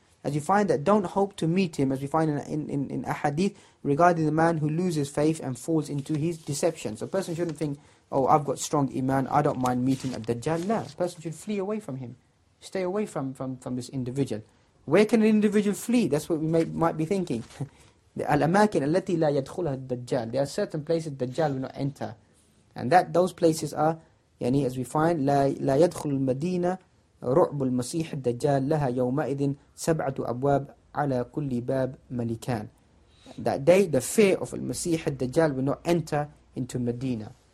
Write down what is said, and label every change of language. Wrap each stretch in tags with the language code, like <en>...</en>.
<en>As you find that, don't hope to meet him, as we find in a hadith regarding the man who loses faith and falls into his deception. So a person shouldn't think, oh, I've got strong iman, I don't mind meeting al-Dajjal. No, a person should flee away from him, stay away from this individual. Where can an individual flee? That's what we might be thinking.</en> <ar>الأماكن التي لا يدخلها الدجال.</ar> <en>There are certain places</en> <ar>الدجال</ar> <en>will not enter, and that those places are, as we find,</en> <ar>لا يدخل المدينة رعب المسيح الدجال لها يومئذ سبعة أبواب على كل باب ملكان.</ar> <en>That day, the fear of المسيح الدجال will not enter into Medina.</en>